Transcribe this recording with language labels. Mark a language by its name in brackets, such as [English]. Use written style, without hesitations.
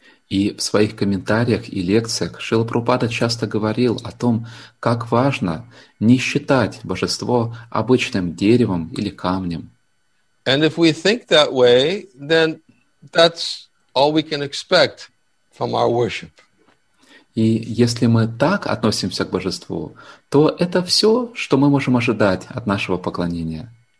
[Russian] И в своих комментариях и лекциях Шрила Прабхупада часто говорил о том, как важно не считать божество обычным деревом или камнем. [English] And if we think that way, then that's all we can expect from our worship. [Russian] И если мы так относимся к Божеству, то это все, что мы можем ожидать от нашего поклонения.